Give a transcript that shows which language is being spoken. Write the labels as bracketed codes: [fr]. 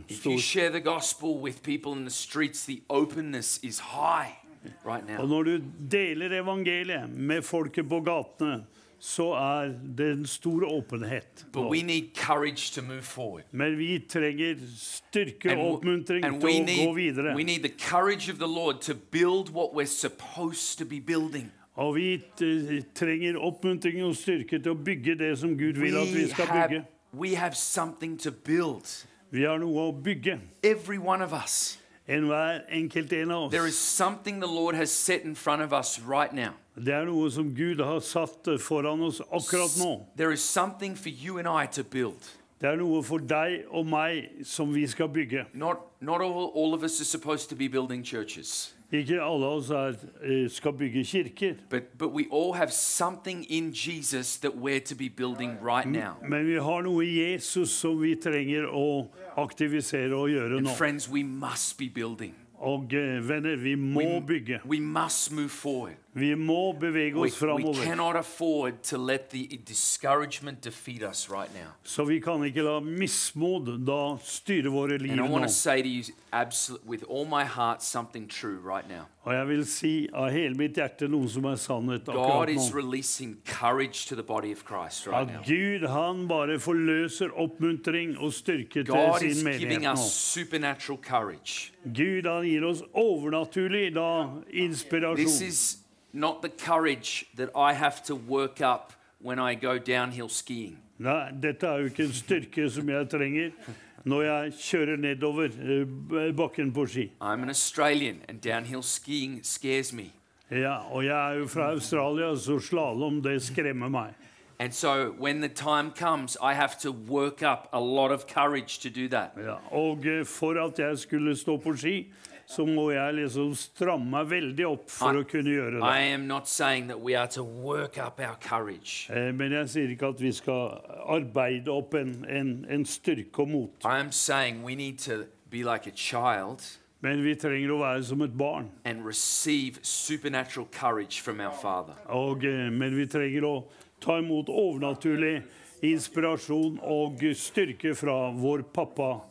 [en] If you share the gospel with people in the streets, the openness is high right now. [no] Og når du deler evangeliet med folket på gatene, så det en stor åpenhet. [en] But we need courage to move forward. [no] Men vi trenger styrke og oppmuntring til å gå videre. [en] We need the courage of the Lord to build what we're supposed to be building. [no] Og vi trenger oppmuntring og styrke til å bygge det som Gud vil at vi skal bygge. [en] We have something to build. [no] Vi har noe å bygge. [en] Every one of us. [no] Enhver enkelt en av oss. [en] There is something the Lord has set in front of us right now. [no] Det er noe som Gud har satt foran oss akkurat nå. [en] There is something for you and I to build. [no] Det er noe for deg og meg som vi skal bygge. [en] Not all of us are supposed to be building churches. [no] Ikke alle av oss skal bygge kirker. [en] But we all have something in Jesus that we're to be building right now. [no] Men vi har noe I Jesus som vi trenger å aktivisere og gjøre nå. [en] And friends, we must be building. [no] Og venner, vi må bygge. [en] We must move forward. [no] Vi må bevege oss framover. [en] We cannot afford to let the discouragement defeat us right now. [no] Så vi kan ikke la mismod da styre våre liv nå. [en] And I want to say to you absolutely with all my heart something true right now. [no] Og jeg vil si av hele mitt hjerte noe som sannhet akkurat nå. [en] God is releasing courage to the body of Christ right now. [no] At Gud han bare forløser oppmuntring og styrke til sin menighet nå. [en] God is giving us supernatural courage. [no] Gud han gir oss overnaturlig da inspirasjon. [en] This is not the courage that I have to work up when I go downhill skiing. [no] Nei, dette jo ikke en styrke som jeg trenger når jeg kjører nedover bakken på ski. [en] I'm an Australian and downhill skiing scares me. [no] Ja, og jeg jo fra Australia, så slalom det skremmer meg. [en] And so when the time comes, I have to work up a lot of courage to do that. [no] Ja, og for at jeg skulle stå på ski, så må jeg liksom stramme meg veldig opp for å kunne gjøre det. [en] I am not saying that we are to work up our courage. [no] Men jeg sier ikke at vi skal arbeide opp en styrke og mot. [en] I am saying we need to be like a child. [no] Men vi trenger å være som et barn. [en] And receive supernatural courage from our Father. [no] Og men vi trenger å ta imot overnaturlig inspirasjon og styrke fra vår pappa.